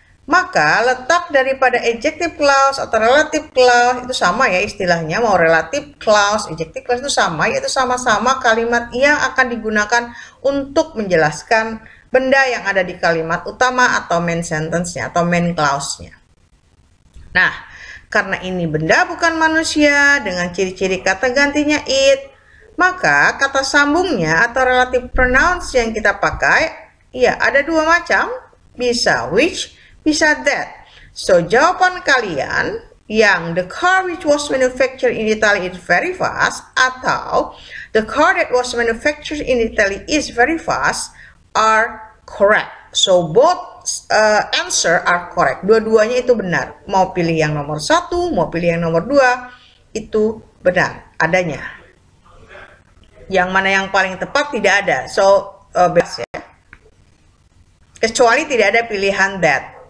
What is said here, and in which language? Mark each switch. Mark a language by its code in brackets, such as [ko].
[id] Maka letak daripada adjective clause atau relative clause itu sama ya istilahnya, mau relative clause, adjective clause itu sama, yaitu sama-sama kalimat yang akan digunakan untuk menjelaskan benda yang ada di kalimat utama atau main sentence-nya atau main clause-nya. Nah, karena ini benda bukan manusia dengan ciri-ciri kata gantinya it, maka kata sambungnya atau relative pronouns yang kita pakai, ya ada dua macam, bisa which, bisa that. [en] So, [id] jawaban kalian yang [en] the car which was manufactured in Italy is very fast [id] atau [en] the car that was manufactured in Italy is very fast are correct. So, both answer are correct. [id] Dua-duanya itu benar. Mau pilih yang nomor satu, mau pilih yang nomor dua, itu benar adanya. Yang mana yang paling tepat tidak ada. So, bebas ya. Kecuali tidak ada pilihan that.